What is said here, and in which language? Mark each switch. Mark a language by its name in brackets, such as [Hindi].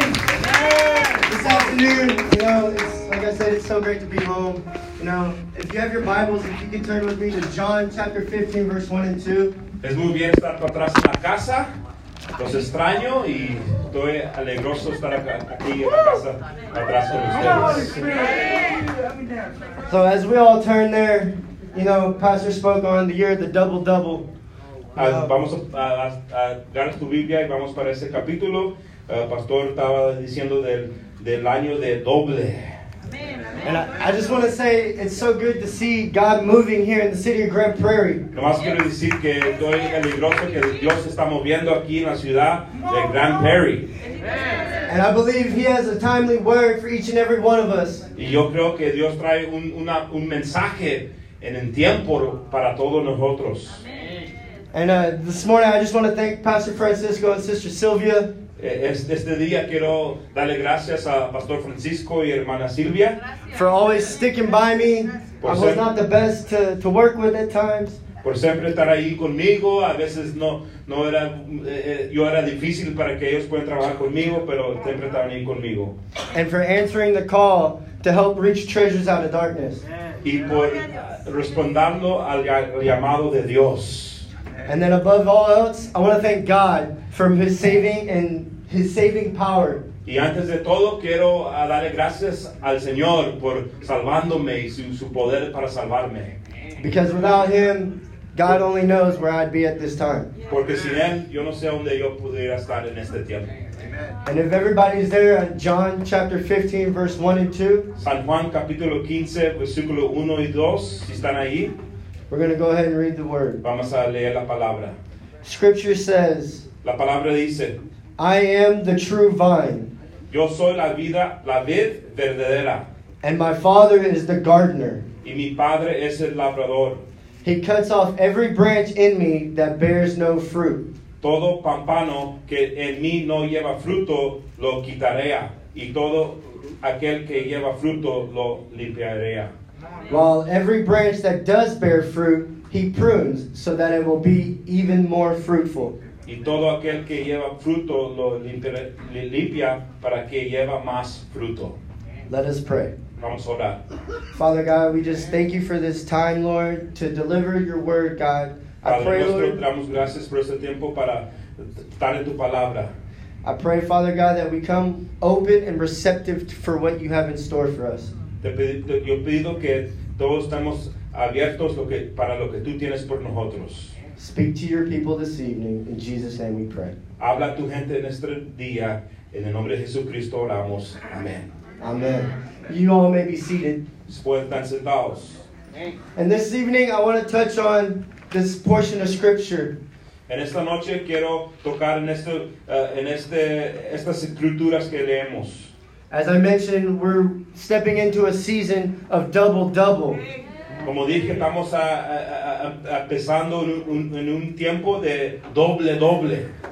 [English] This afternoon, you know, it's, like I said, it's so great to be home. You know, if you have your Bibles, if you can turn with me to John chapter 15, verse 1 and 2. [Spanish] Es muy bien estar atrás en la casa. Los extraño y estoy alegroso estar aquí en casa atrás con ustedes. [English] So as we all turn there, you know, Pastor spoke on the year of the double-double. [Spanish] Vamos a agarrar tu Biblia y vamos para ese capítulo. Pastor estaba diciendo del año de doble. [English] And I just want to say it's so good to see God moving here in the city of Grand Prairie. [Spanish] Nomás quiero decir que estoy alegroso que Dios está moviendo aquí en la ciudad de Grand Prairie. [English] And I believe He has a timely word for each and every one of us. [Spanish] Y yo creo que Dios trae un mensaje en el tiempo para todos nosotros. [English] And this morning I just want to thank Pastor Francisco and Sister Sylvia. [Spanish] Este día quiero darle gracias a Pastor Francisco y hermana Silvia. [English] For always sticking by me. [Spanish] Por [English] I was not the best to work with at times. [Spanish] Por siempre estar ahí conmigo. A veces no era, yo era difícil para que ellos puedan trabajar conmigo, pero siempre estaban ahí conmigo. [English] And for answering the call to help reach treasures out of darkness. [Spanish] Y por respondiendo al llamado de Dios. [English] And then above all else, I want to thank God for His saving and His saving power. [Spanish] Y antes de todo, quiero darle gracias al Señor por salvándome y su poder para salvarme. [English] Because without Him, God only knows where I'd be at this time. [Spanish] Porque sin Él, yo no sé dónde yo pudiera estar en este tiempo. [English] Amen. And if everybody's there, John chapter 15, verse 1 and 2. [Spanish] San Juan capítulo 15, versículo 1 y 2, si están ahí. [English] We're going to go ahead and read the word. [Spanish] Vamos a leer la palabra. [English] Scripture says, [Spanish] la palabra dice, [English] I am the true vine. [Spanish] Yo soy la vida, la vid verdadera. [English] And my Father is the gardener. [Spanish] Y mi padre es el labrador. [English] He cuts off every branch in me that bears no fruit. [Spanish] Todo pámpano que en mí no lleva fruto lo quitaría. Y todo aquel que lleva fruto lo limpiaría. [English] While every branch that does bear fruit, He prunes, so that it will be even more fruitful. [Spanish] Y todo aquel que lleva fruto lo limpia para que lleva más fruto. [English] Let us pray. [Spanish] Vamos a orar. [English] Father God, we just thank You for this time, Lord, to deliver Your word, God. [Spanish] Padre, [English] I pray, Lord, [Spanish] nuestro, damos gracias por este tiempo para estar en Tu palabra. [English] I pray, Father God, that we come open and receptive for what You have in store for us. [Spanish] Yo pido que todos estemos abiertos para lo que tú tienes por nosotros. [English] Speak to your people this evening, in Jesus' name we pray. [Spanish] Habla a tu gente en este día, en el nombre de Jesucristo oramos. Amén. [English] Amén. You all may be seated. [Spanish] Pueden sentados. [English] And this evening I want to touch on this portion of scripture. [Spanish] En esta noche quiero tocar estas escrituras que leemos. [English] As I mentioned, we're stepping into a season of double-double. [Spanish] Como dije, estamos empezando en un tiempo de doble-doble.